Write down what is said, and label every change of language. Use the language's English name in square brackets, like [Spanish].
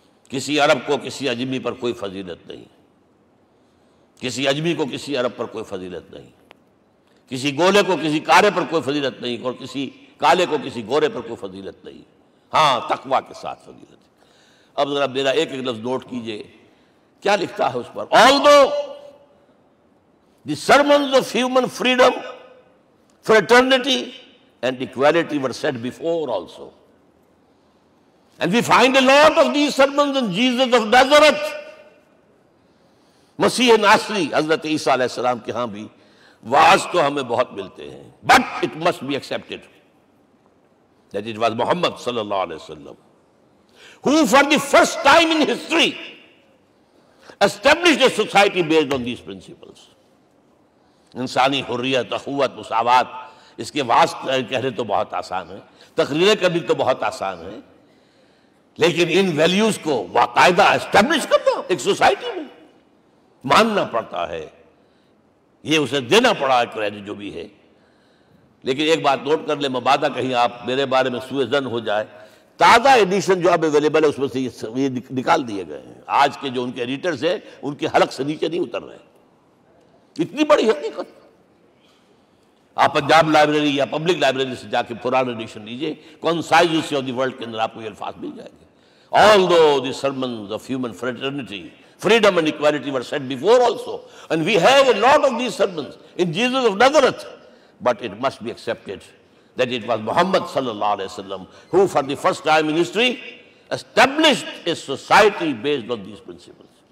[Urdu] کسی عرب کو کسی عجمی پر کوئی فضیلت نہیں, کسی عجمی کو کسی عرب پر کوئی فضیلت نہیں, کسی گولے کو کسی کارے پر کوئی فضیلت نہیں, اور کسی کالے کو کسی گورے پر کوئی فضیلت نہیں. ہاں, تقوی کے ساتھ فضیلت. اب ذرا میرا ایک ایک لفظ نوٹ کیجئے, کیا لکھتا ہے اس پر. [English] The sermons of human freedom, fraternity and equality were said before also. And we find a lot of these sermons in Jesus of Nazareth. [Urdu] مسیح ناصری, حضرت عیسیٰ علیہ السلام کے ہاں بھی واعظ تو ہمیں بہت ملتے ہیں. [English] But it must be accepted that it was Muhammad صلی اللہ علیہ وسلم who for the first time in history established a society based on these principles. [Urdu] انسانی حریت, اخوت, مساوات, اس کے واسطے کہنے تو بہت آسان ہے, تقریریں کرنی تو بہت آسان ہے, لیکن ان ویلیوز کو باقاعدہ اسٹیبلش کرنا ایک سوسائٹی میں ماننا پڑتا ہے, یہ اسے دینا پڑا ہے کریڈٹ جو بھی ہے. لیکن ایک بات نوٹ کر لیں, مبادہ کہیں آپ میرے بارے میں سوء ظن ہو جائے, تازہ ایڈیشن جو اب اویلیبل ہے اس میں سے یہ نکال دیے گئے ہیں. آج کے جو ان کے ایڈیٹرز ہیں ان کی حلق سے نیچے نہیں اتر رہے. اتنی بڑی حقیقت, آپ پنجاب لائبریری یا پبلک لائبریری سے جا کے پرانا ایڈیشن لیجئے, concise history of the world کے اندر آپ کو یہ الفاظ مل جائیں گے. [English] Although the sermons of human fraternity, freedom and equality were said before also. And we have a lot of these sermons in Jesus of Nazareth. But it must be accepted that it was Muhammad sallallahu alayhi wa sallam who for the first time in history established a society based on these principles.